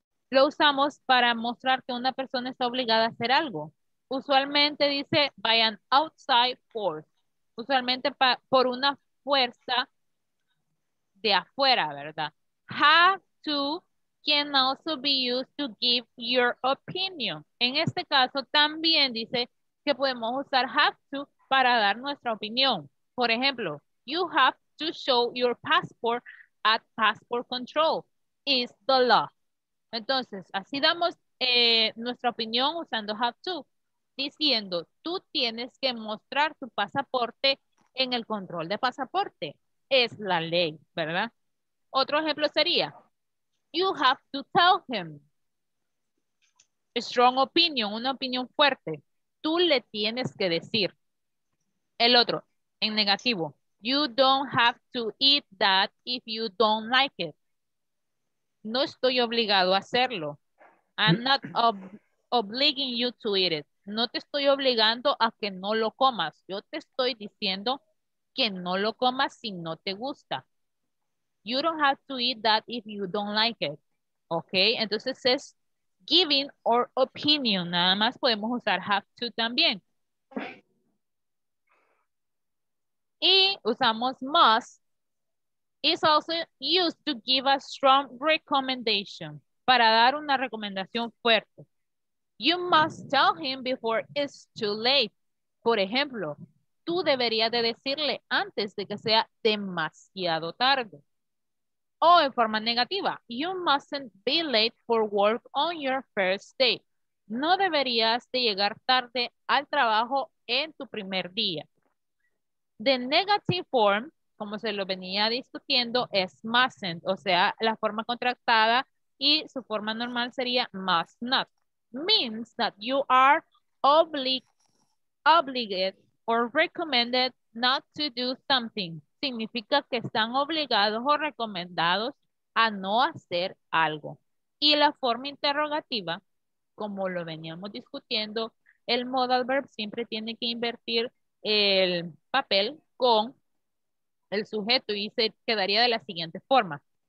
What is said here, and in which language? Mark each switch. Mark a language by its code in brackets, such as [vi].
[es] Lo usamos para mostrar que una persona está obligada a hacer algo. Usualmente dice, [en] by an outside force. [es] usualmente por una fuerza de afuera, ¿verdad? [en] Have to can also be used to give your opinion. [es] En este caso también dice que podemos usar have to para dar nuestra opinión. Por ejemplo, [en] you have to show your passport at passport control. It's the law. [es] Entonces, así damos nuestra opinión usando have to, diciendo, tú tienes que mostrar tu pasaporte en el control de pasaporte. Es la ley, ¿verdad? Otro ejemplo sería, [en] you have to tell him. A strong opinion, [es] una opinión fuerte. Tú le tienes que decir. El otro, en negativo, [en] you don't have to eat that if you don't like it. [es] No estoy obligado a hacerlo. [en] I'm not obliging you to eat it. [es] No te estoy obligando a que no lo comas. Yo te estoy diciendo que no lo comas si no te gusta. [en] You don't have to eat that if you don't like it. Okay, [es] entonces es [en] giving or opinion. [es] Nada más podemos usar have to también. Y usamos [en] must. It's also used to give a strong recommendation. [es] Para dar una recomendación fuerte. [en] You must tell him before it's too late. [es] Por ejemplo, tú deberías de decirle antes de que sea demasiado tarde. O en forma negativa, [en] you mustn't be late for work on your first day. [es] No deberías de llegar tarde al trabajo en tu primer día. [en] The negative form, [es] como se lo venía discutiendo, es mustn't, o sea, la forma contractada, y su forma normal sería must not. [en] Means that you are obligated or recommended not to do something. [es] Significa que están obligados o recomendados a no hacer algo. Y la forma interrogativa, como lo veníamos discutiendo, el modal verb siempre tiene que invertir el papel con el sujeto y se quedaría de la siguiente forma.